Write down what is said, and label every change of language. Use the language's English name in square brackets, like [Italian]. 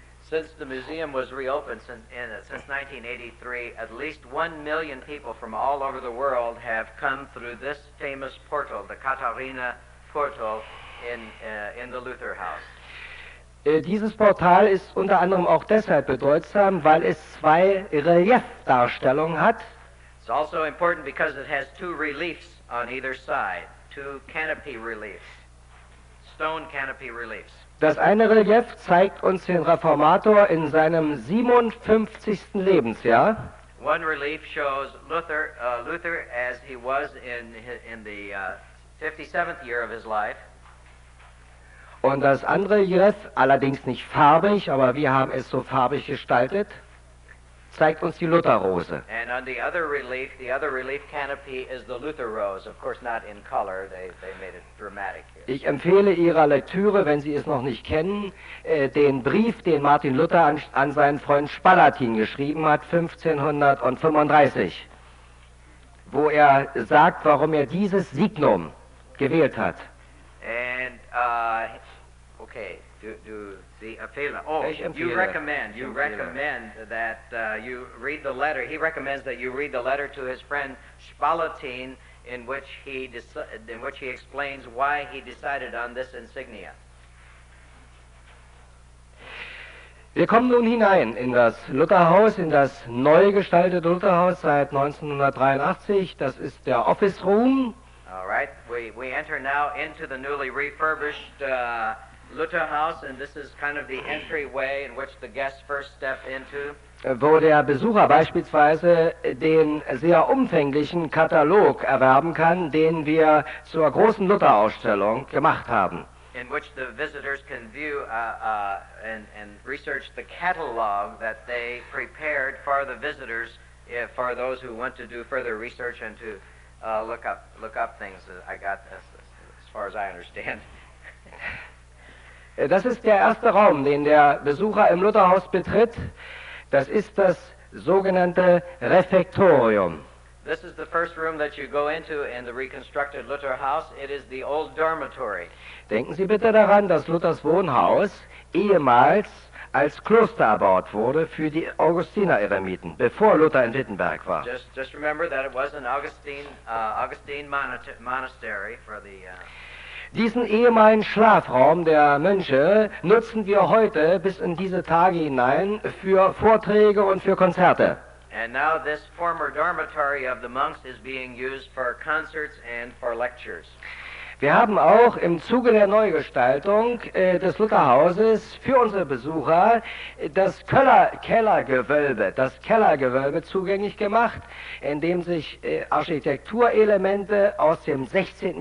[English] Since the museum was reopened since 1983, at least 1 million people from all over the world have come through this famous portal, the Katharina Portal, in the Luther House. [German] Dieses Portal ist unter anderem auch deshalb bedeutsam, weil es zwei Reliefdarstellungen hat. [English] It's also important because it has two reliefs on either side, two canopy reliefs, stone canopy reliefs. [German] Das eine Relief zeigt uns den Reformator in seinem 57. Lebensjahr. [English] One relief shows Luther as he was in the 57th year of his life. [German] Und das andere Relief, allerdings nicht farbig, aber wir haben es so farbig gestaltet, zeigt uns die Lutherrose. [English] And on the other relief canopy is the Luther rose, of course not in color, they made it dramatic here. [German] Ich empfehle Ihrer Lektüre, wenn Sie es noch nicht kennen, den Brief, den Martin Luther an seinen Freund Spalatin geschrieben hat, 1535, wo er sagt, warum er dieses Signum gewählt hat. [English] And, you recommend that you read the letter. He recommends that you read the letter to his friend Spalatin, in which he explains why he decided on this insignia. [German] Wir kommen nun hinein in das Lutherhaus, in das neu gestaltete Lutherhaus seit 1983. Das ist der [English] Office Room. All right. We enter now into the newly refurbished Luther House, and this is kind of the entryway in which the guests first step into. [German] Wo der Besucher beispielsweise den sehr umfänglichen Katalog erwerben kann, den wir zur großen Luther-Ausstellung gemacht haben. [English] In which the visitors can view and research the catalog that they prepared for the visitors, for those who want to do further research and to look up things. I got this, as far as I understand. [German] Das ist der erste Raum, den der Besucher im Lutherhaus betritt. Das ist das sogenannte Refektorium. [English] This is the first room that you go into in the reconstructed Luther House. It is the old dormitory. [German] Denken Sie bitte daran, dass Luthers Wohnhaus ehemals als Kloster erbaut wurde für die Augustiner-Eremiten, bevor Luther in Wittenberg war. [English] Just remember that it was an Augustine monastery for the... [German] Diesen ehemaligen Schlafraum der Mönche nutzen wir heute bis in diese Tage hinein für Vorträge und für Konzerte. [English] And now this former dormitory of the monks is being used for concerts and for lectures. [German] Wir haben auch im Zuge der Neugestaltung des Lutherhauses für unsere Besucher das Kellergewölbe zugänglich gemacht, in dem sich Architekturelemente aus dem 16.